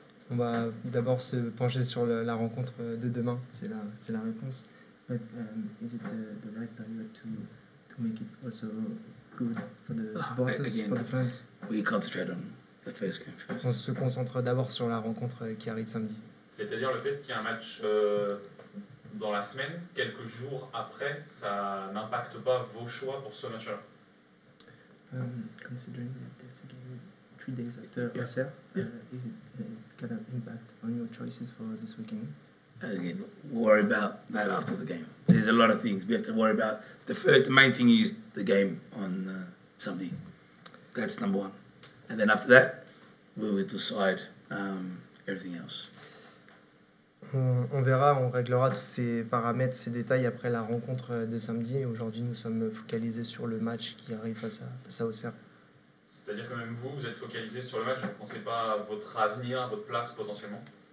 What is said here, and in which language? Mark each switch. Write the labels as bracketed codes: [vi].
[fr] On va d'abord se pencher sur la rencontre de demain, c'est la réponse. [en] But is it the right time to make it also good for the supporters, again, for the fans? We concentrate on the first game first. [fr] On se concentre d'abord sur la rencontre qui arrive samedi. C'est-à-dire le fait qu'il y a un match dans la semaine, quelques jours après, ça n'impacte pas vos choix pour ce match-là. [en] Considering that there's a game 3 days after Auxerre, is it gonna impact on your choices for this weekend? Again, worry about that after the game. There's a lot of things we have to worry about. The main thing is the game on Sunday. That's number one. And then after that, we will decide everything else. [fr] On verra, on réglera tous ces paramètres, ces détails après la rencontre de samedi. Aujourd'hui, nous sommes focalisés sur le match qui arrive face à Auxerre. C'est-à-dire que même vous êtes focalisé sur le match, vous ne pensez pas à votre avenir, à votre place potentiellement?